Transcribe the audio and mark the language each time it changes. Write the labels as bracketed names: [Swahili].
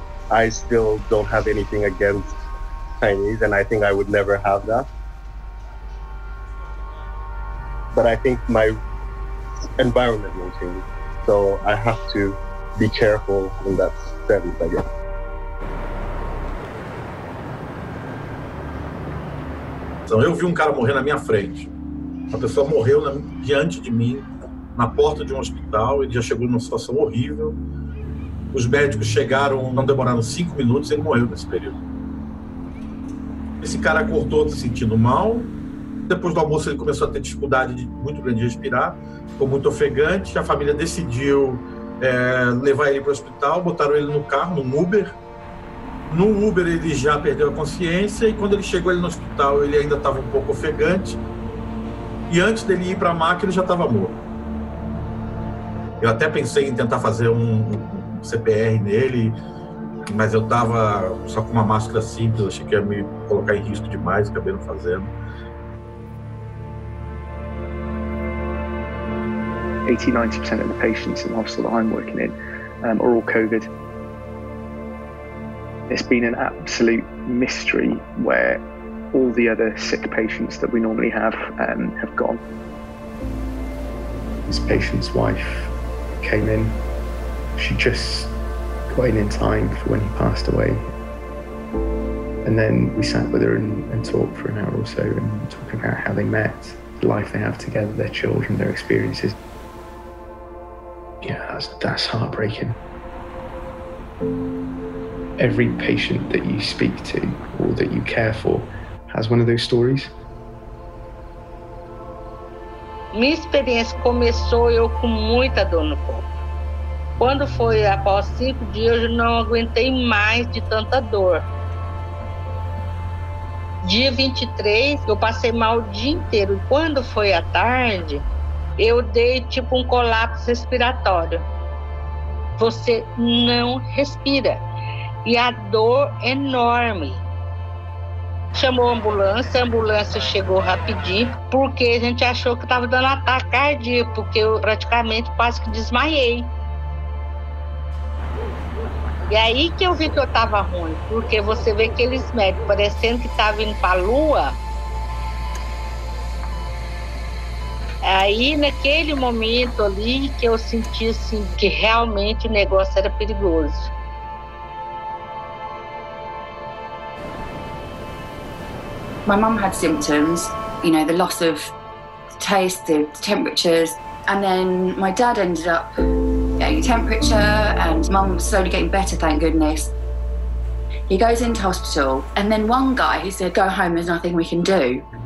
[English] I still don't have anything against Chinese, and I think I would never have that. But I think my environment will change, so I have to be careful in that sense, I guess. [Portuguese] Então, eu vi um cara morrer na minha frente. Uma pessoa morreu diante de mim, na porta de um hospital. Ele já chegou numa situação horrível. Os médicos chegaram, não demoraram 5 minutos, ele morreu nesse período. Esse cara acordou se sentindo mal. Depois do almoço, ele começou a ter dificuldade muito grande de respirar. Ficou muito ofegante. A família decidiu levar ele para o hospital. Botaram ele no carro, no Uber. No Uber, ele já perdeu a consciência e quando ele chegou ali no hospital, ele ainda estava um pouco ofegante. E antes dele ir para a maca, ele já estava morto. Eu até pensei em tentar fazer um CPR nele, mas eu estava só com uma máscara simples, achei que ia me colocar em risco demais, acabei não fazendo. [English] 80-90% of the patients in the hospital that I'm working in are all COVID. It's been an absolute mystery where all the other sick patients that we normally have gone. This patient's wife came in. She just got in time for when he passed away. And then we sat with her and talked for an hour or so and talking about how they met, the life they have together, their children, their experiences. Yeah, that's heartbreaking. Every patient that you speak to or that you care for has one of those stories. [Portuguese] Minha experiência começou eu com muita dor no corpo. Quando foi após 5 dias, eu não aguentei mais de tanta dor. Dia 23, eu passei mal o dia inteiro. Quando foi à tarde, eu dei tipo um colapso respiratório. Você não respira. E a dor enorme. Chamou a ambulância chegou rapidinho, porque a gente achou que estava dando ataque cardíaco, porque eu praticamente quase que desmaiei. E aí que eu vi que eu estava ruim, porque você vê aqueles médicos parecendo que estavam indo para a lua. Aí, naquele momento ali, que eu senti assim, que realmente o negócio era perigoso. [English] My mum had symptoms, you know, the loss of taste, the temperatures. And then my dad ended up getting a temperature and mum was slowly getting better, thank goodness. He goes into hospital and then one guy, he said, go home, there's nothing we can do.